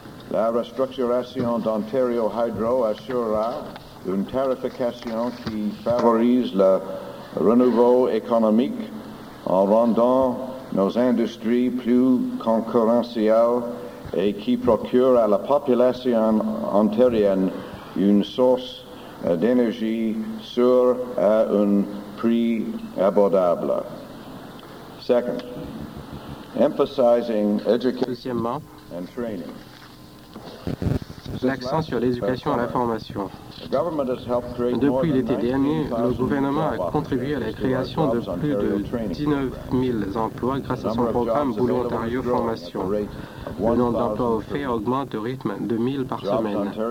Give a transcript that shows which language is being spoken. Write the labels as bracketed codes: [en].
[fr] La restructuration d'Ontario Hydro assurera une tarification qui favorise le renouveau économique en rendant nos industries plus concurrentielles et qui procure à la population ontarienne une source d'énergie sûre à un prix abordable. [en] Second, emphasizing education and training. [fr] L'accent sur l'éducation et la formation. Depuis l'été dernier, le gouvernement a contribué à la création de plus de 19 000 emplois grâce à son programme Boulot Ontario Formation. Le nombre d'emplois offerts augmente au rythme de 1 000 par semaine.